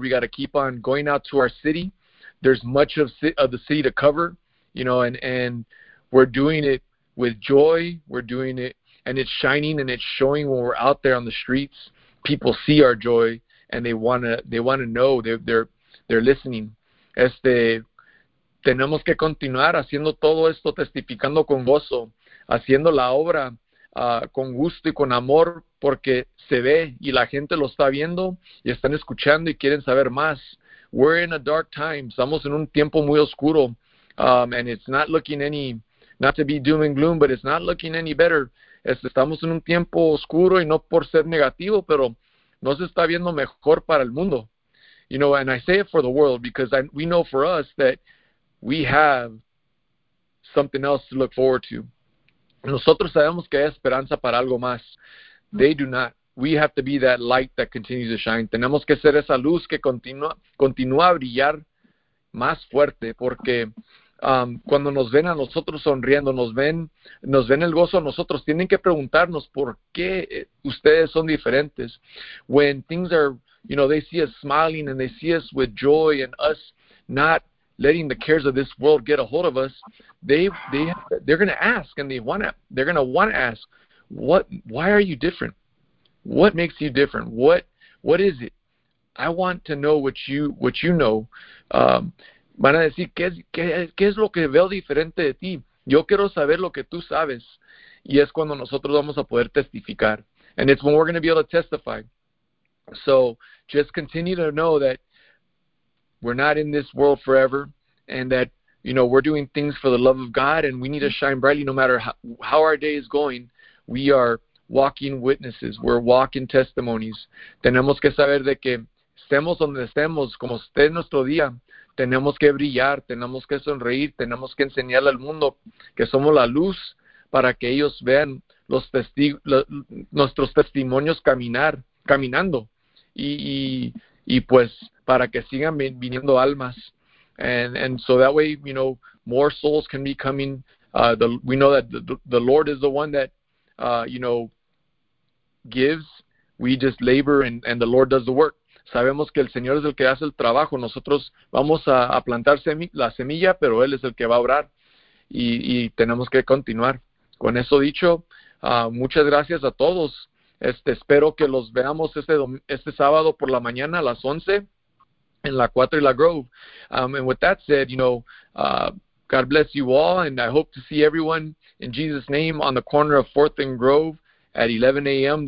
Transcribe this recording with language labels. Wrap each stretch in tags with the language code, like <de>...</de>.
<en>We got to keep on going out to our city. There's much of the city to cover, you know, and we're doing it with joy. We're doing it, and it's shining and it's showing when we're out there on the streets. People see our joy, and they want to know. They're they're listening.</en> <es>Tenemos que continuar haciendo todo esto, testificando con gozo, haciendo la obra con gusto y con amor, porque se ve y la gente lo está viendo y están escuchando y quieren saber más.</es> <en>We're in a dark time.</en> <es>Estamos en un tiempo muy oscuro.</es> <en>And it's not looking any, not to be doom and gloom, but it's not looking any better.</en> <es>Estamos en un tiempo oscuro y no por ser negativo, pero no se está viendo mejor para el mundo.</es> <en>You know, and I say it for the world because we know for us that we have something else to look forward to.</en> <es>Nosotros sabemos que hay esperanza para algo más.</es> <en>They do not. We have to be that light that continues to shine.</en> <es>Tenemos que ser esa luz que continúa a brillar más fuerte, porque cuando nos ven a nosotros sonriendo, nos ven el gozo a nosotros, tienen que preguntarnos por qué ustedes son diferentes.</es> <en>When things are, you know, they see us smiling and they see us with joy and us not letting the cares of this world get a hold of us, they're going to ask, and they're going to want to ask, why are you different? What makes you different? What is it? I want to know what you know.</en> <es>Van a decir, ¿qué es lo que veo diferente de ti? Yo quiero saber lo que tú sabes. Y es cuando nosotros vamos a poder testificar.</es> <en>And it's when we're going to be able to testify. So just continue to know that we're not in this world forever, and that, you know, we're doing things for the love of God, and we need to shine brightly no matter how our day is going. We are walking witnesses. We're walking testimonies.</en> <es>Tenemos que saber de que estemos donde estemos, como esté nuestro día, tenemos que brillar, tenemos que sonreír, tenemos que enseñarle al mundo que somos la luz para que ellos vean nuestros testimonios caminando. Y pues para que sigan viniendo almas.</es> <en>And so that way, you know, more souls can be coming. We know that the Lord is the one that, you know, gives. We just labor and the Lord does the work.</en> <es>Sabemos que el Señor es el que hace el trabajo. Nosotros vamos a plantar la semilla, pero Él es el que va a obrar. Y tenemos que continuar. Con eso dicho, muchas gracias a todos. Espero que los veamos este sábado por la mañana a las 11 en la 4 y la Grove.</es> <en>And with that said, you know, God bless you all, and I hope to see everyone in Jesus' name on the corner of 4th and Grove at 11 a.m.</en>